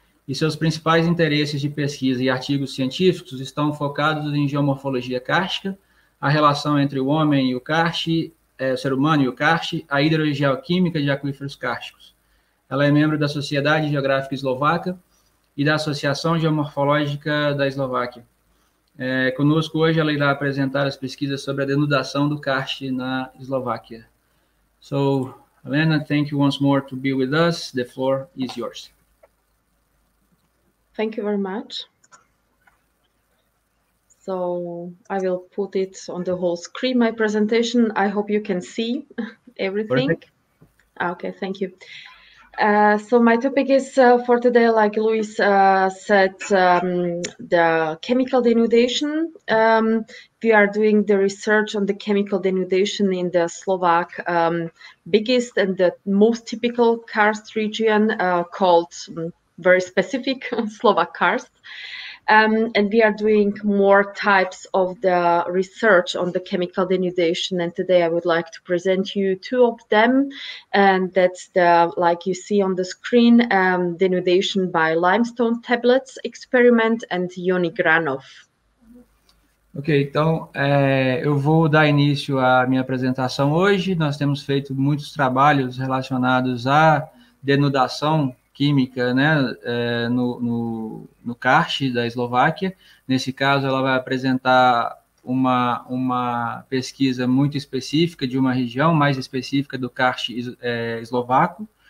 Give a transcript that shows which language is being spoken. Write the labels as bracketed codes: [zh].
[pt] E seus principais interesses de pesquisa e artigos científicos estão focados em geomorfologia kárstica, a relação entre o homem e o karst, o ser humano e o karst, a hidrogeoquímica de aquíferos kársticos. Ela é membro da Sociedade Geográfica Eslovaca e da Associação Geomorfológica da Eslováquia. Conosco hoje ela irá apresentar as pesquisas sobre a denudação do karst na Eslováquia. [en] So, Alena, thank you once more to be with us. The floor is yours. Thank you very much. So, I will put it on the whole screen, my presentation. I hope you can see everything. Perfect. Okay, thank you. So my topic is for today, like Luis said, the chemical denudation. We are doing the research on the chemical denudation in the Slovak biggest and the most typical karst region called very specific Slovak karst. And we are doing more types of the research on the chemical denudation. And today I would like to present you two of them. And that's the, like you see on the screen, denudation by limestone tablets experiment and Yoni Granov. [pt] Ok, então eu vou dar início à minha apresentação hoje. Nós temos feito muitos trabalhos relacionados à denudação química, né, no karst da Eslováquia. Nesse caso, ela vai apresentar uma pesquisa muito específica de uma região mais específica do karst eslovaco.